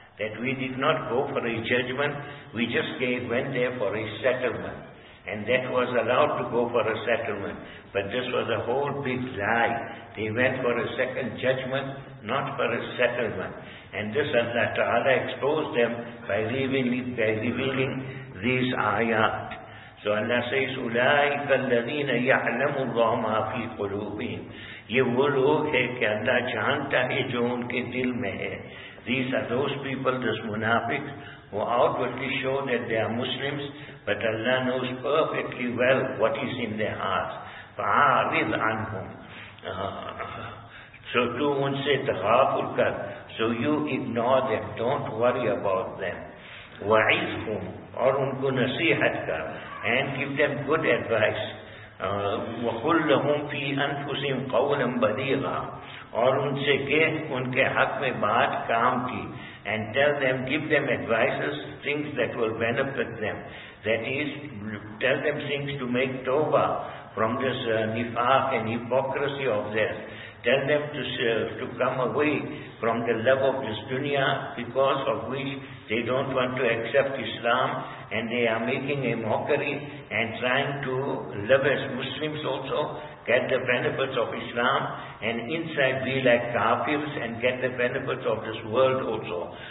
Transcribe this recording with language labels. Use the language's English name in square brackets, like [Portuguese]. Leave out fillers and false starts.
[English] That we did not go for a judgment, we just went there for a settlement. And that was allowed to go for a settlement. But this was a whole big lie. They went for a second judgment, not for a settlement. And this Allah Ta'ala exposed them by revealing these ayat. So Allah says, [Arabic] أُولَٰئِكَ الَّذِينَ يَعْلَمُ اللَّهُ مَا فِي قُلُوبِهِمْ [Urdu] یہ وہ لوگ ہیں کہ اللہ جانتا ہے جو ان کے دل میں ہے. [English] These are those people, those munafiqs, who outwardly show that they are Muslims, but Allah knows perfectly well what is in their hearts. [Arabic] فَعَارِضْ عَنْهُمْ [Urdu] So تو ان سے تغافل کر. [English] So you ignore them, don't worry about them. [Arabic] وَعِذْهُمْ [Urdu] اور ان کو نصیحت کر. [English] And give them good advice. [Arabic] وَقُلْ لَهُمْ فِي أَنفُسِهِمْ قَوْلًا بَلِيغًا [Urdu] اور ان سے کہ ان کے حق میں بات کام کی. [English] And tell them, give them advices, things that will benefit them. That is, tell them things to make tawbah from this nifaq and hypocrisy of theirs. Tell them to come away from the love of this dunya, because of which they don't want to accept Islam, and they are making a mockery and trying to live as Muslims also, get the benefits of Islam, and inside be like kafirs and get the benefits of this world also.